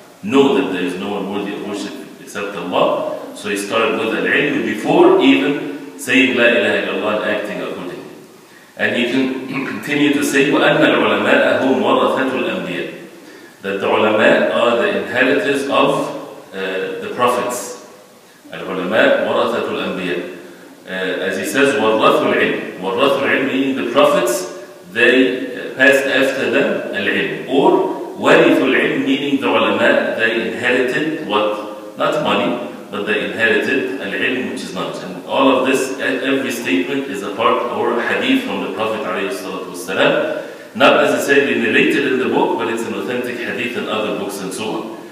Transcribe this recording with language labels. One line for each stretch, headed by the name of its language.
English: Know that there is no one worthy of worship except Allah. So he started with al-ilm before even saying la ilaha illallah and acting accordingly. And you can continue to say,
Arabic: وَأَنَّ الْعُلَمَاءَ هُمْ وَرَثَةُ الْأَنْبِيَاءِ,
English: that the ulama are the inheritors of the prophets.
Arabic: العلماء ورثة الأنبياء,
English: as he says,
Arabic: ورثوا العلم. ورثوا العلم
English: meaning the prophets, they passed after them العلم. Or
Arabic: ورثوا العلم
English: meaning the علماء, they inherited what? Not money, but they inherited العلم, which is knowledge. And all of this, every statement is a part or a hadith from the Prophet عليه الصلاة والسلام, not necessarily narrated in the book, but it's an authentic hadith in other books and so on.